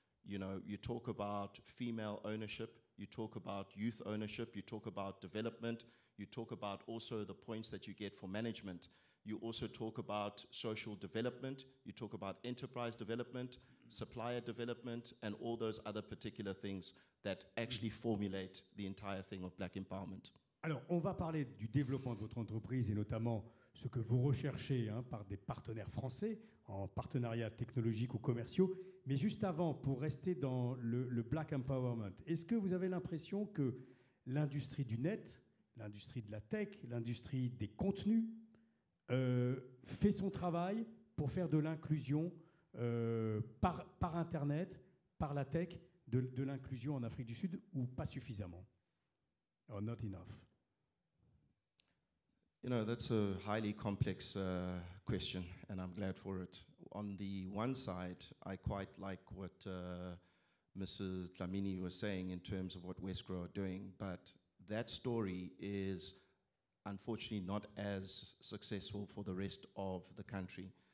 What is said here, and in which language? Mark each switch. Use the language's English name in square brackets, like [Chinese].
[English] You know, you talk about female ownership, you talk about youth ownership, you talk about development, you talk about also the points that you get for management. You also talk about social development, you talk about enterprise development, supplier development, and all those other particular things that actually formulate the entire thing of black empowerment. [French] Alors, on va parler du développement de votre entreprise et notamment ce que vous recherchez hein, par des partenaires français en partenariat technologique ou commerciaux. Mais juste avant, pour rester dans le Black Empowerment, est-ce que vous avez l'impression que l'industrie du net, l'industrie de la tech, l'industrie des contenus fait son travail pour faire de l'inclusion par Internet, par la tech, de l'inclusion en Afrique du Sud ou pas suffisamment? [English] Or not enough? You know, that's a highly complex question, and I'm glad for it. On the one side, I quite like what Mrs. Dlamini was saying in terms of what Westgrow are doing, but that story is unfortunately not as successful for the rest of the country.